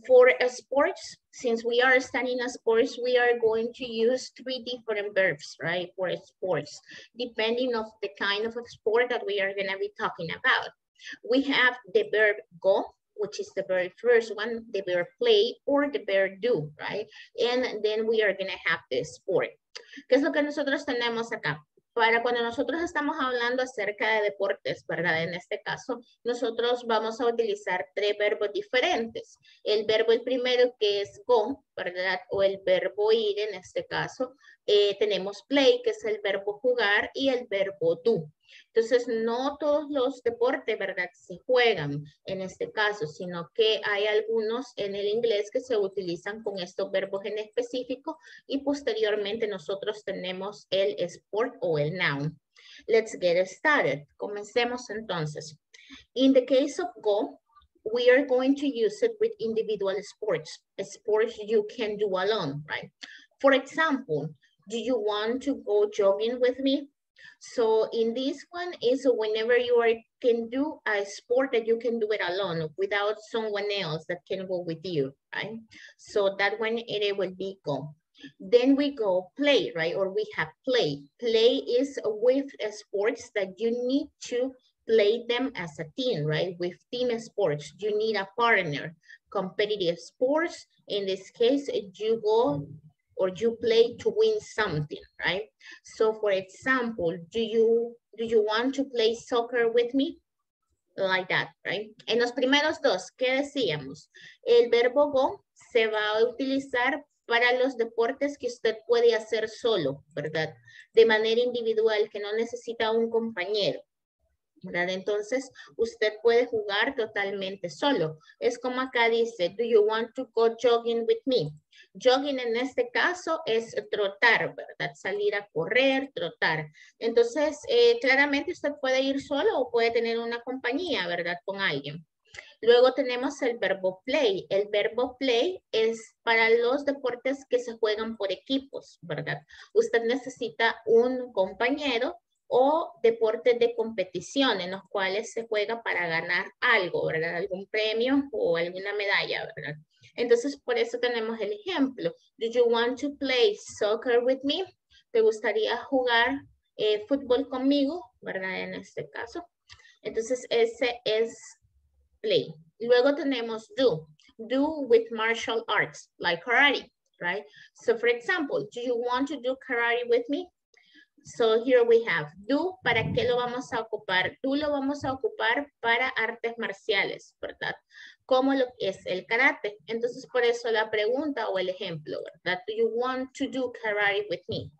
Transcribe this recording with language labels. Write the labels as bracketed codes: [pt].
[en] For a sports, since we are studying a sports, we are going to use three different verbs, right? For a sports, depending on the kind of a sport that we are gonna be talking about. We have the verb go, which is the very first one, the bear play or the bear do, right? And then we are gonna have the sport. [es] ¿Qué es lo que nosotros tenemos acá? Para cuando nosotros estamos hablando acerca de deportes, ¿verdad? En este caso, nosotros vamos a utilizar tres verbos diferentes. El verbo el primero que es go, ¿verdad? O el verbo ir en este caso. Tenemos play, que es el verbo jugar, y el verbo do. Entonces, no todos los deportes, ¿verdad? Se juegan en este caso, sino que hay algunos en el inglés que se utilizan con estos verbos en específico y posteriormente nosotros tenemos el sport o el noun. [en] Let's get started. [es] Comencemos entonces. [en] In the case of go, we are going to use it with individual sports, sports you can do alone, right? For example, do you want to go jogging with me? So in this one is whenever you are, can do a sport that you can do it alone without someone else that can go with you, right? So that one, it will be go. Then we go play, right? Or we have play. Play is with sports that you need to play them as a team, right? With team sports, you need a partner. Competitive sports, in this case, you go or you play to win something, right? So for example, do you want to play soccer with me? Like that, right? [es] En los primeros dos, ¿qué decíamos? El verbo go se va a utilizar para los deportes que usted puede hacer solo, ¿verdad? De manera individual, que no necesita un compañero, ¿verdad? Entonces, usted puede jugar totalmente solo. Es como acá dice, [en] do you want to go jogging with me? [es] Jogging en este caso es trotar, ¿verdad? Salir a correr, trotar. Entonces, claramente usted puede ir solo o puede tener una compañía, ¿verdad? Con alguien. Luego tenemos el verbo play. El verbo play es para los deportes que se juegan por equipos, ¿verdad? Usted necesita un compañero o deportes de competición en los cuales se juega para ganar algo, ¿verdad? Algún premio o alguna medalla, ¿verdad? Entonces, por eso tenemos el ejemplo. [en] Do you want to play soccer with me? [es] ¿Te gustaría jugar fútbol conmigo, ¿verdad? En este caso. Entonces, ese es play. Luego tenemos do. [en] Do with martial arts, like karate, right? So, for example, do you want to do karate with me? So, here we have do. [es] ¿Para qué lo vamos a ocupar? Do lo vamos a ocupar para artes marciales, ¿verdad? ¿Cómo lo es el karate? Entonces, por eso la pregunta o el ejemplo, ¿verdad? [en] Do you want to do karate with me?